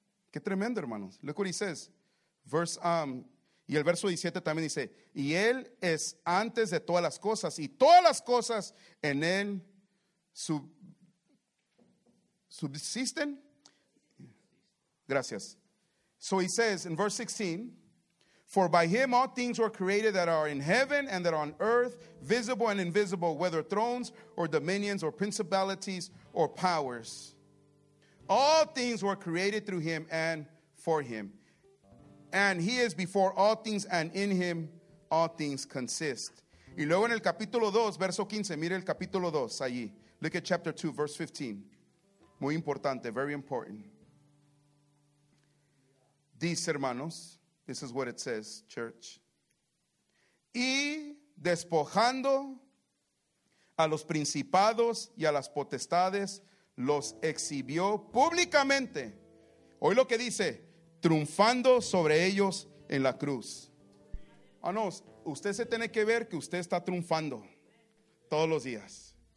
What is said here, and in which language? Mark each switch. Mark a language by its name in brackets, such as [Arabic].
[Spanish] Qué tremendo, hermanos. [English] Look what he says. [Spanish] Y el verso 17 también dice, y él es antes de todas las cosas, y todas las cosas en él subsisten. Gracias. [English] So he says in verse 16, for by him all things were created that are in heaven and that are on earth, visible and invisible, whether thrones or dominions or principalities or powers. All things were created through him and for him. And he is before all things, and in him all things consist. [Spanish] Y luego en el capítulo 2, verso 15, mire el capítulo 2 allí. [English] Look at chapter 2, verse 15. [Spanish] Muy importante, [English] very important. [Spanish] Dice, hermanos, [English] this is what it says, church. [Spanish] Y despojando a los principados y a las potestades, los exhibió públicamente. Oye lo que dice, triunfando sobre ellos en la cruz. Oh, no, usted se tiene que ver que usted está triunfando todos los días.